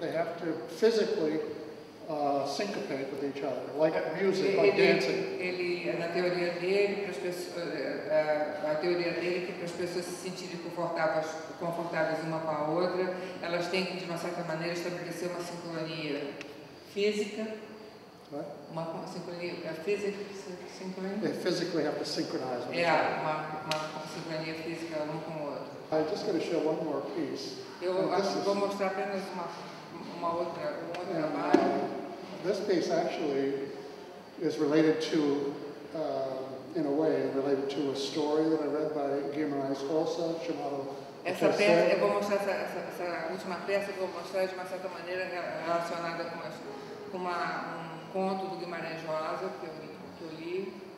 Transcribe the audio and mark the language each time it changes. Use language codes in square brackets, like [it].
[en] They have to physically syncopate with each other, like music, like dancing. [pt] Ele, na teoria dele, para as pessoas, a teoria dele é que para as pessoas se sentirem confortáveis uma com a outra, elas têm que, de uma certa maneira, estabelecer uma sincronia física. [en] Right. [pt] Uma sincronia, sincronia? [en] They physically have to synchronize. [pt] Uma sincronia física um com o outro. [en] I'm just going to show one more piece. [pt] Vou mostrar apenas um outro trabalho. [en] This piece actually is related to, in a way, related to a story that I read by Guimarães Rosa, chamado. [pt] Essa peça, eu vou mostrar essa última peça, eu vou mostrar de uma certa maneira relacionada com um conto do Guimarães Rosa, que eu li.